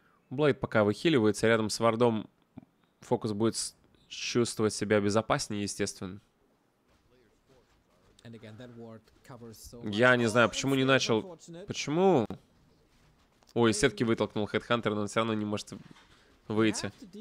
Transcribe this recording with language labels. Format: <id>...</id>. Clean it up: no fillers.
<ru>Блейд пока выхиливается рядом с вардом. Фокус будет чувствовать себя безопаснее, естественно.</ru> <en>And again, that ward covers so much.</en> <ru>Я не знаю, почему не начал. Почему? Ой, из сетки вытолкнул хедхантер, но он все равно не может выйти.</ru>